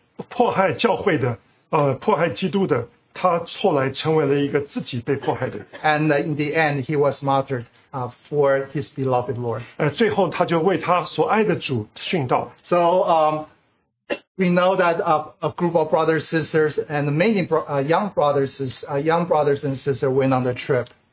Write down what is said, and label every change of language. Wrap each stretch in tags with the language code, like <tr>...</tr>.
<zh>迫害基督的，他后来成为了一个自己被迫害的人。</zh> <en>And in the end, he was martyred for his beloved Lord.</en> <zh>最后他就为他所爱的主殉道。</zh> <en>So we know that a group of brothers and sisters and many young brothers and sisters went on the trip.</en>